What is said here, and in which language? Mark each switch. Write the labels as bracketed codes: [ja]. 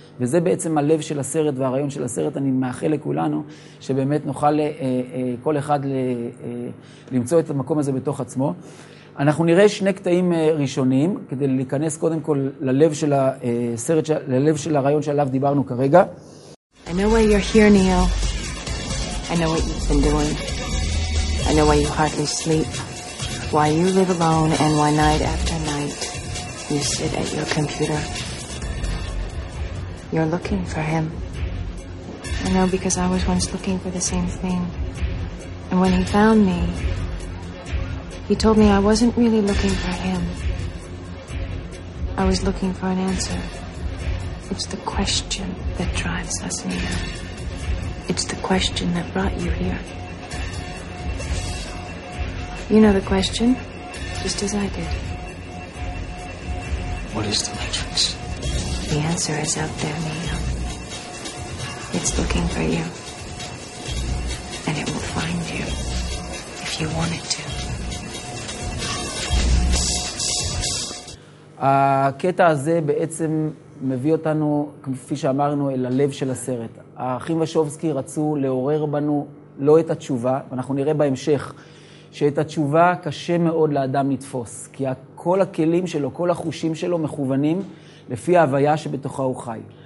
[he] וזה בעצם הלב של הסרט והרעיון של הסרט. אני מאחל לכולנו שבאמת נוכל כל אחד למצוא את המקום הזה בתוך עצמו. אנחנו נראה שני קטעים ראשונים, כדי להיכנס קודם כל ללב של הסרט, ללב של הרעיון שעליו דיברנו כרגע. [en] I know why you're here, Neo. I know what you've been doing. I know why you hardly sleep. Why you live alone and why night after night you sit at your computer. You're looking for him. I know because I was once looking for the same thing. And when he found me, he told me I wasn't really looking for him. I was looking for an answer. It's the question that drives us in here. It's the question that brought you here. You know the question, just as I did. What is the matrix? The answer is out there, Neo. It's looking for you. And it will find you, if you want it to. [he] הקטע הזה בעצם מביא אותנו, כפי שאמרנו, אל הלב של הסרט. האחים ושובסקי רצו לעורר בנו לא את התשובה, ואנחנו נראה בהמשך שאת התשובה קשה מאוד לאדם לתפוס, כי כל הכלים שלו, כל החושים שלו מכוונים לפי ההוויה שבתוכה הוא חי.